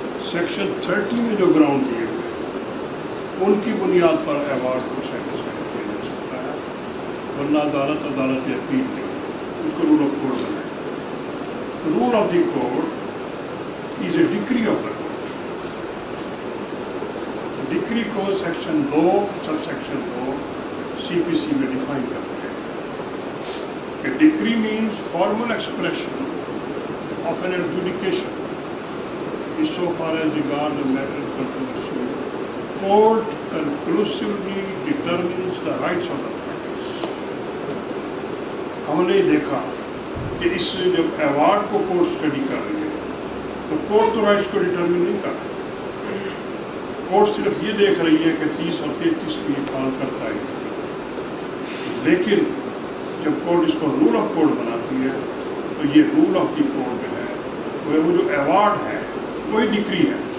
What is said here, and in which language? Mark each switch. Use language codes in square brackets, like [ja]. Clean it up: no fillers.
[hi] Section 30 में जो ground दिए हुए उनकी बुनियाद पर अवार्ड को सेटिस्फाई किया जा सकता है, वरना अदालत अदालत की अपील दे उसको रूल ऑफ कोर्ट बनाए। [en] Rule of the court is a decree of the court. [hi] Decree को सेक्शन 2 सब सेक्शन 2 CPC में डिफाइन कर दिया। [en] A decree means formal expression of an adjudication insofar as regard the matter of controversy. Court conclusively determines the rights of the parties. [hi] हमने देखा कि इस जब award को कोर्ट स्टडी कर रही है तो कोर्ट तो राइट्स को डिटर्मिन नहीं कर रही, कोर्ट सिर्फ ये देख रही है कि 30 और 33 की फॉल करता है। लेकिन जब कोर्ट इसको रूल ऑफ कोर्ट बनाती है तो ये रूल ऑफ दी कोर्ट जो है वो जो अवार्ड है वही डिक्री है।